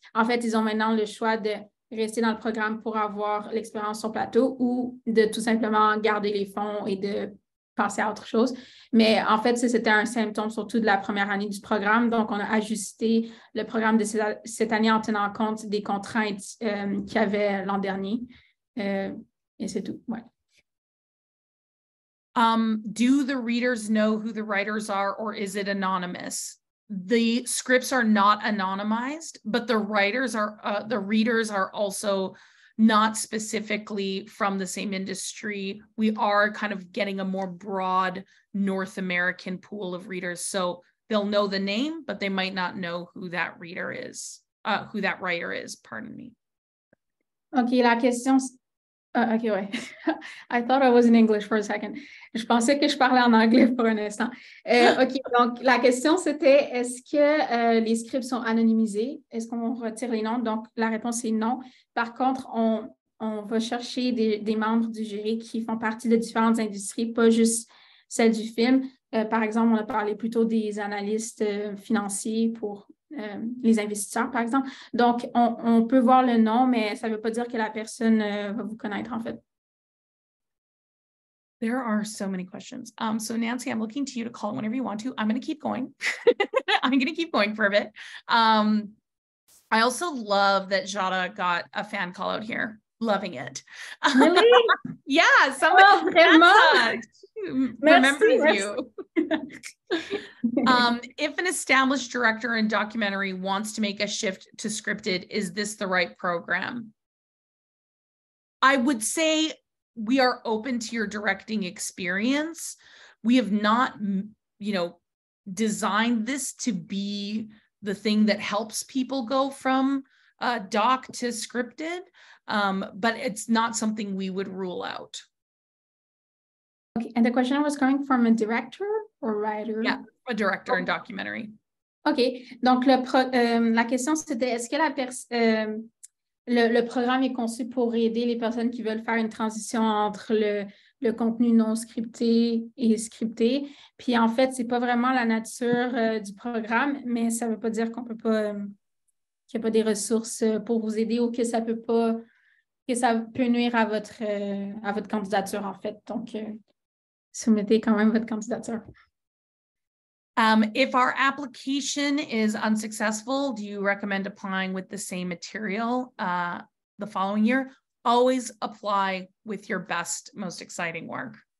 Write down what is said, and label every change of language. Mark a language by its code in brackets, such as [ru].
[fr] En fait, ils ont maintenant le choix de rester dans le programme pour avoir l'expérience sur plateau ou de tout simplement garder les fonds et de passer à autre chose. Mais en fait, c'était un symptôme surtout de la première année du programme. Donc, on a ajusté le programme de cette année en tenant compte des contraintes qu'il y avait l'an dernier. Et c'est tout, ouais. [en] Do the readers know who the writers are or is it anonymous? The scripts are not anonymized, but the readers are also not specifically from the same industry. We are kind of getting a more broad North American pool of readers. So they'll know the name, but they might not know who that reader is, who that writer is, pardon me. [fr] Okay, la question. OK, ouais. [en] I thought I was in English for a second. [fr] Je pensais que je parlais en anglais pour un instant. OK, donc la question, c'était est-ce que les scripts sont anonymisés? Est-ce qu'on retire les noms? Donc, la réponse est non. Par contre, on va chercher des membres du jury qui font partie de différentes industries, pas juste celle du film. Par exemple, on a parlé plutôt des analystes financiers pour les investisseurs, par exemple. Donc, on peut voir le nom, mais ça ne veut pas dire que la personne va vous connaître, en fait. [en] There are so many questions. So Nancy, I'm looking to you to call whenever you want to. I'm going to keep going. I'm going to keep going for a bit. I also love that Jada got a fan call out here. Loving it. Really? Yeah. Somebody remembers you. If an established director and documentary wants to make a shift to scripted, is this the right program? I would say we are open to your directing experience. We have not, you know, designed this to be the thing that helps people go from doc to scripted, but it's not something we would rule out. Okay, and the question was coming from a director or writer? Yeah, a director and documentary. [fr] Okay, donc la question c'était est-ce que le programme est conçu pour aider les personnes qui veulent faire une transition entre le contenu non scripté et scripté? Puis en fait, c'est pas vraiment la nature du programme, mais ça veut pas dire qu'on peut pas qu'il n'y a pas des ressources pour vous aider ou que ça peut pas que ça peut nuire à votre candidature en fait. Donc soumettez quand même votre candidature. [en] If our application is unsuccessful, do you recommend applying with the same material the following year? Always apply with your best, most exciting work.